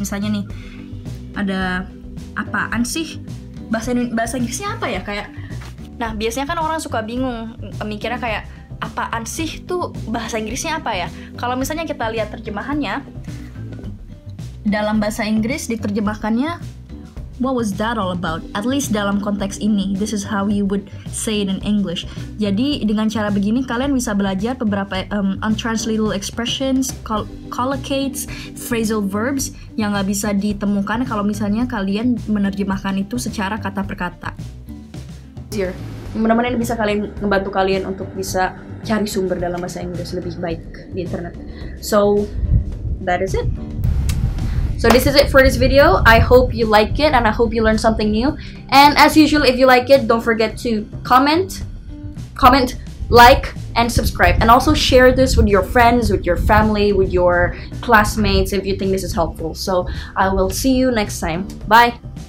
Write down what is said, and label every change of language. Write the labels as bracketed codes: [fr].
[id] Misalnya nih, ada apaan sih? Bahasa Inggrisnya apa ya? Kayak Nah, biasanya kan orang suka bingung, mikirnya kayak, apaan sih tuh bahasa Inggrisnya apa ya? Kalau misalnya kita lihat terjemahannya, dalam bahasa Inggris diterjemahkannya, [en] what was that all about? At least [id] dalam konteks ini, [en] this is how you would say it in English. [id] Jadi, dengan cara begini, kalian bisa belajar beberapa untranslatable expressions, collocates, phrasal verbs, yang nggak bisa ditemukan kalau misalnya kalian menerjemahkan itu secara kata per kata. [en] Easier. [id] Mudah-mudahan ini bisa kalian membantu kalian untuk bisa cari sumber dalam bahasa Inggris lebih baik di internet. [en] So, that is it. So this is it for this video. I hope you like it and I hope you learned something new. And as usual, if you like it, don't forget to comment, like, and subscribe. And also share this with your friends, with your family, with your classmates if you think this is helpful. So I will see you next time. Bye!